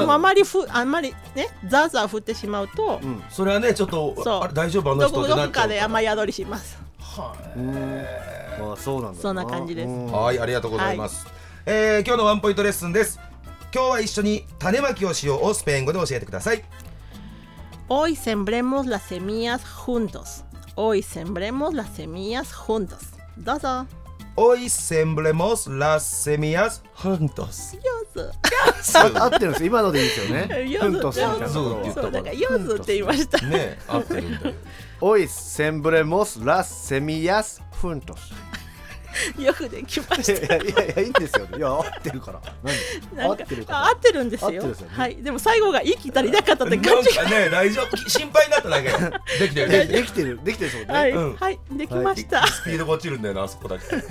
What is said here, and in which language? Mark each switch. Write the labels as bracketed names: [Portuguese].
[Japanese] でもあまりふ、あんまりね、ザーザー降ってしまうと、うん、それはね、ちょっと、あれ大丈夫、あの人ってなっちゃうから、どこかで雨宿りします。はぁ、まあ、そうなんだ、そんな感じです。はい、ありがとうございます、はい。今日のワンポイントレッスンです。今日は一緒に種まきをしようをスペイン語で教えてください。 [Spanish] Hoy sembremos las semillas juntos。 Hoy sembremos las semillas juntos. [Japanese] どうぞ。 [Spanish] Hoy sembremos las semillas juntos. [Japanese] よず。合ってるんです。今のでいいですよね。よずって言ったから。だからよずって言いました。ね、合ってるんだよ。 [Spanish] Hoy sembremos las semillas juntos. [Japanese] よくできました。いや、いいんですよ、ね。いや、合ってるから。合ってるから。合ってるんですよ。合ってるんですよ、ね。はい。でも最後が息足りなかったって感じ。なんかね、大丈夫。心配になっただけ。できてる、ね。できてる。できてるそうね、はい、うん。はい。できました、はい。スピードが落ちるんだよな、あそこだけ。